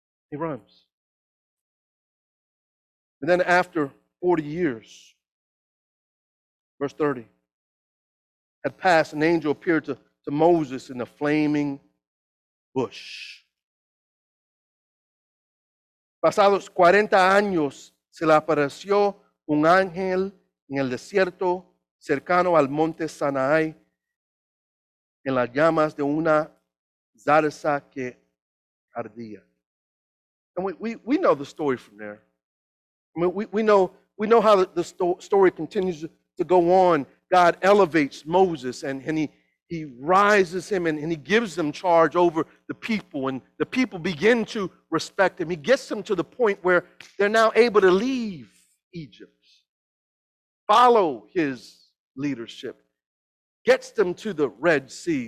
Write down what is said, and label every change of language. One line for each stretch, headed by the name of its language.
English: He runs. And then after 40 years, verse 30, had passed, an angel appeared to Moses in a flaming bush.
Spanish: Pasados 40 años, se le apareció un ángel en el desierto cercano al monte Sinaí en las llamas de una zarza que ardía.
English: And we know the story from there. I mean, we know how the story continues to go on. God elevates Moses and he rises him and he gives him charge over the people, and the people begin to respect him. He gets them to the point where they're now able to leave Egypt, follow his leadership, gets them to the Red Sea.